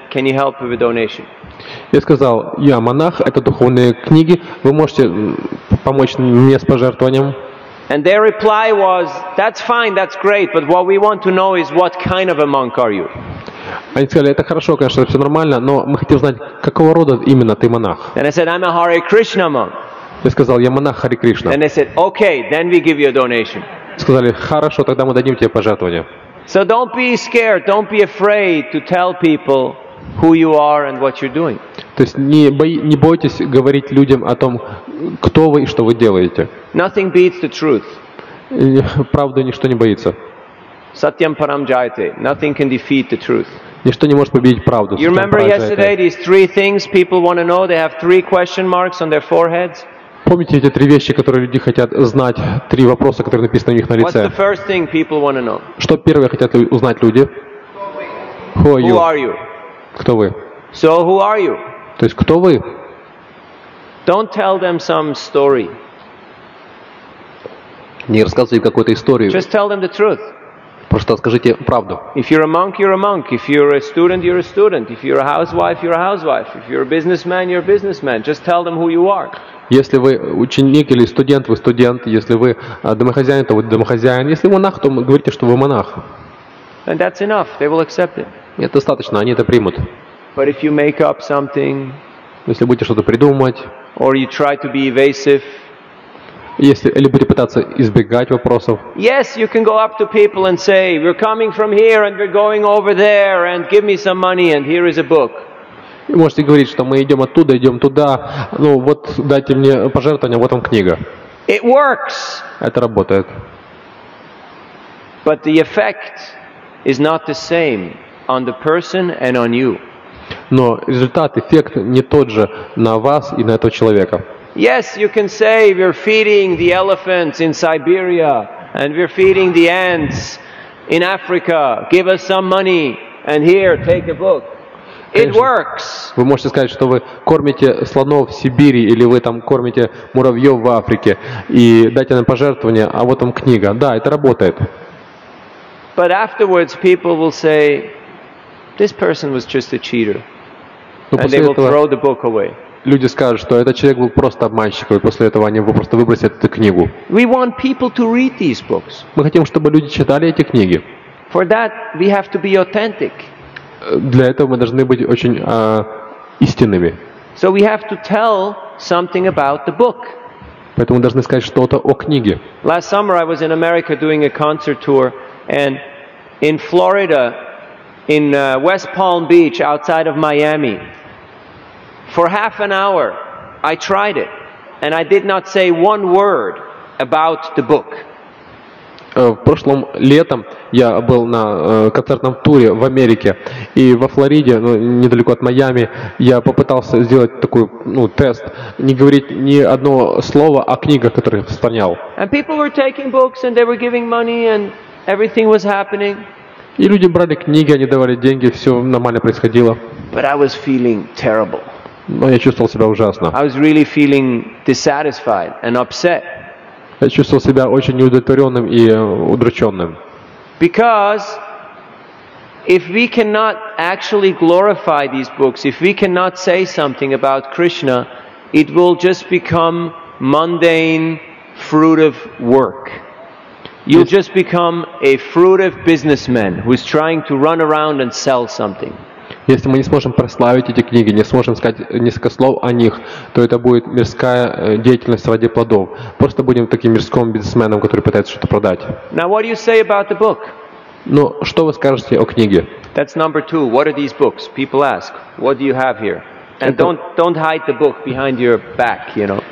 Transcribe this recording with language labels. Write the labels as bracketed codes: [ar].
[ru] Я сказал: "Я монах, это духовные книги. Вы можете помочь мне с пожертвованием?" [en] And their reply was, "That's fine, that's great, but what we want to know is what kind of a monk are you?" [ru] Они сказали: "Это хорошо, конечно, все нормально, но мы хотим знать, какого рода именно ты монах." [en] And I said, "I'm a Hare Krishna monk." [ru] Я сказал: "Я монах Хари Кришна". [en] And they said, "Okay, then we give you a donation." [ru] сказали: «Хорошо, тогда мы дадим тебе пожертвование». [en] So don't be scared, don't be afraid to tell people who you are and what you're doing. [ru] То есть не бойтесь говорить людям о том, кто вы и что вы делаете. [en] Nothing beats the truth. [ru] Правду ничто не боится. [sa] Satyam param jayate. [en] Nothing can defeat the truth. [ru] Ничто не может победить правду. [en] You remember yesterday these three things people want to know? They have three question marks on their foreheads. [ru] Помните эти три вещи, которые люди хотят знать, три вопроса, которые написаны у них на лице? [en] What's the first thing people want to know? [ru] Что первое хотят узнать люди? [en] Who are you? Who are you? [ru] Кто вы? [en] So who are you? [ru] То есть кто вы? [en] Don't tell them some story. [ru] Не рассказывай им какую-то историю. [en] Just tell them the truth. [ru] Просто скажите правду. [en] If you're a monk, you're a monk. If you're a student, you're a student. If you're a housewife, you're a housewife. If you're a businessman, you're a businessman. Just tell them who you are. [ru] Если вы ученик или студент, вы студент. Если вы домохозяин, то вы домохозяин. Если вы монах, то говорите, что вы монах. [en] And that's enough. They will accept it. [ru] Это достаточно, они это примут. [en] But if you make up something, [ru] если будете что-то придумывать, [en] or you try to be evasive, [ru] если или будете пытаться избегать вопросов, [en] yes, you can go up to people and say, we're coming from here and we're going over there and give me some money and here is a book. [ru] Вы можете говорить, что мы идем оттуда, идем туда, ну вот дайте мне пожертвование, вот вам книга. [en] It works. [ru] Это работает. [en] But the effect is not the same on the person and on you. [ru] Но результат, эффект не тот же на вас и на этого человека. [en] Yes, you can say we're feeding the elephants in Siberia and we're feeding the ants in Africa. Give us some money and here, take a book. It works. [ru] Вы можете сказать, что вы кормите слонов в Сибири или вы там кормите муравьев в Африке и дайте нам пожертвование, а вот вам книга. Да, это работает. [en] But afterwards people will say, this person was just a cheater. And they will throw the book away. [ru] Люди скажут, что этот человек был просто обманщиком, и после этого они просто выбросят эту книгу. [en] We want people to read these books. [ru] Мы хотим, чтобы люди читали эти книги. [en] For that we have to be authentic. [ru] Для этого мы должны быть очень истинными. [en] So we have to tell something about the book. [ru] Поэтому мы должны сказать что-то о книге. [en] Last summer I was in America doing a concert tour, and in Florida, in West Palm Beach, outside of Miami, for half an hour, I tried it, and I did not say one word about the book. [ru] В прошлом летом я был на концертном туре в Америке и во Флориде, ну, недалеко от Майами, я попытался сделать такой, ну, тест, не говорить ни одно слово о книгах, которые распространял. [en] And people were taking books and they were giving money and everything was happening. [ru] И люди брали книги, они давали деньги, все нормально происходило. [en] But I was feeling terrible. [ru] Но я чувствовал себя ужасно. [en] I was really feeling dissatisfied and upset. [ru] Я чувствовал себя очень неудовлетворенным и удрученным. [en] Because if we cannot actually glorify these books, if we cannot say something about Krishna, it will just become mundane fruit of work. You'll just become a fruitive businessman who is trying to run around and sell something. [ru] Если мы не сможем прославить эти книги, не сможем сказать несколько слов о них, то это будет мирская деятельность ради плодов. Просто будем таким мирским бизнесменом, который пытается что-то продать. [en] Now what do you say about the book? [ru] Ну, что вы скажете о книге? [en] That's number two. What are these books? People ask. What do you have here? And don't hide the book behind your back, you know.